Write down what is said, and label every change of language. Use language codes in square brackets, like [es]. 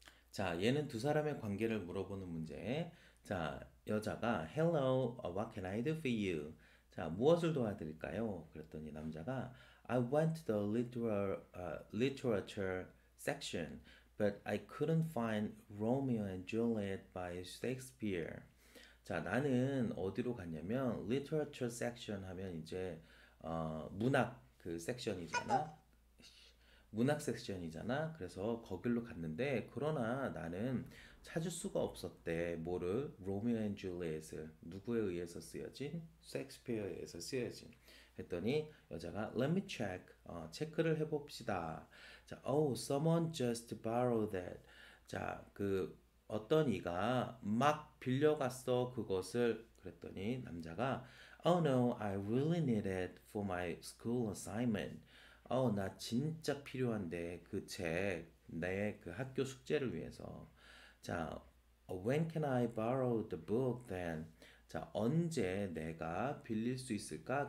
[ko] 자, 얘는 두 사람의 관계를 물어보는 문제. [en] 자, 여자가 Hello, what can I do for you? [ko] 자, 무엇을 도와드릴까요? 그랬더니 남자가 [en] I went to the literature section, but I couldn't find Romeo and Juliet by Shakespeare. [ko] 자, 나는 어디로 갔냐면 literature section 하면 이제 문학 그 섹션이잖아. 문학 섹션이잖아. 그래서 거길로 갔는데 그러나 나는 찾을 수가 없었대. 뭐를? 로미오 앤 줄리엣을. 누구에 의해서 쓰여진? 셰익스피어에 의해서 쓰여진. 했더니 여자가 [en] Let me check. [ko] 체크를 해봅시다. [en] 자, Oh, someone just borrowed that. [ko] 자, 그 어떤 이가 막 빌려갔어 그것을. 그랬더니 남자가 [en] Oh no, I really need it for my school assignment. [ko] 나 진짜 필요한데 그 책, 내그 학교 숙제를 위해서. [en] 자, when can I borrow the book then? [ko] 자, 언제 내가 빌릴 수 있을까?